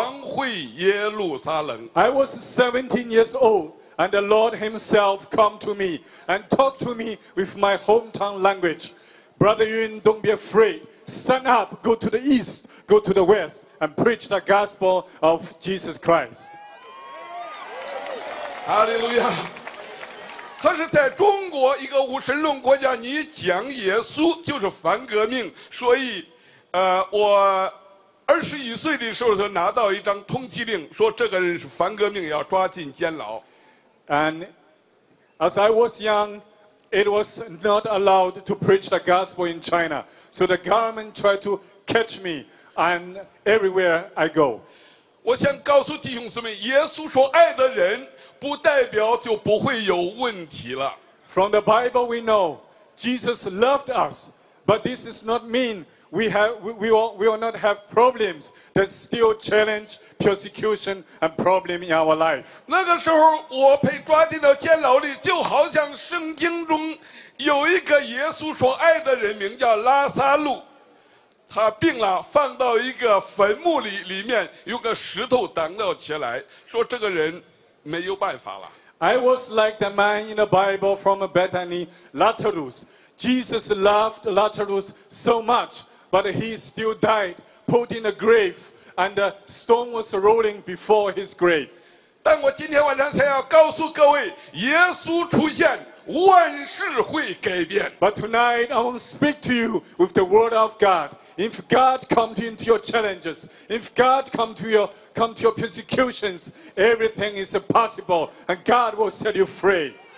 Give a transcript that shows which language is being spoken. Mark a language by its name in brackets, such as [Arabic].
[Chinese] 我17岁的时候遇见了耶稣，他用我家乡的话对我说：“云弟兄，起来向西、向南传福音，做见证，把福音传回耶路撒冷。” [English] I was 17 years old, and the Lord Himself come to me and talk to me with my hometown language. Brother Yun, don't be afraid. Stand up, go to the east, go to the west, and preach the gospel of Jesus Christ. Hallelujah. [Chinese] 可是在中国一个无神论国家，你讲耶稣就是反革命，所以，我 21岁的时候，他拿到一张通缉令， 说这个人是反革命，要抓进监牢。 [English] And as I was young, it was not allowed to preach the gospel in China. So the government tried to catch me, and everywhere I go. [Chinese] 我想告诉弟兄姊妹， 耶稣说爱的人不代表就不会有问题了。 [English] From the Bible we know Jesus loved us, but this does not mean we will not have problems that still challenge persecution and problem in our life. [Chinese] 那个时候我被抓进到监牢里，就好像圣经中有一个耶稣所爱的人名叫拉撒路。他病了，放到一个坟墓里，里面有个石头挡了起来，说这个人没有办法了。 [English] I was like the man in the Bible from Bethany, Lazarus. Jesus loved Lazarus so much, but he still died, put in a grave, and the stone was rolling before his grave. [Chinese] 但我今天晚上才要告诉各位，耶稣出现。万事会改变. [English] But tonight I want to speak to you with the word of God. If God comes into your challenges, if God comes to your persecutions, everything is possible, and God will set you free.